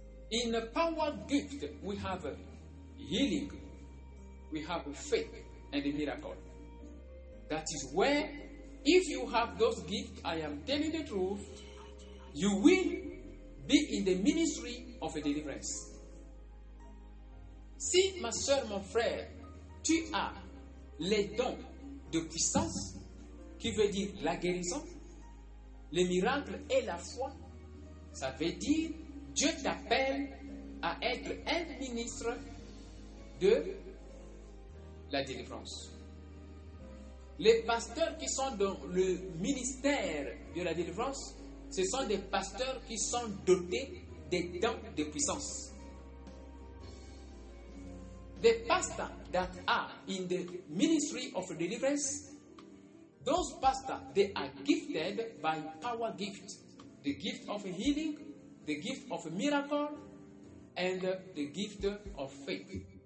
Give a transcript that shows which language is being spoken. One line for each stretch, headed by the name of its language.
English: In the power gift, we have healing, we have faith and a miracle. That is where, if you have those gifts, I am telling the truth, you will be in the ministry of a deliverance.
French: Si, ma soeur, mon frère, tu as les dons de puissance, qui veut dire la guérison, le miracle et la foi, ça veut dire Dieu t'appelle à être un ministre de la délivrance. Les pasteurs qui sont dans le ministère de la délivrance, ce sont des pasteurs qui sont dotés des dons de puissance.
English: The pastors that are in the ministry of deliverance, those pastors, they are gifted by power gift. The gift of healing, the gift of miracle, and the gift of faith.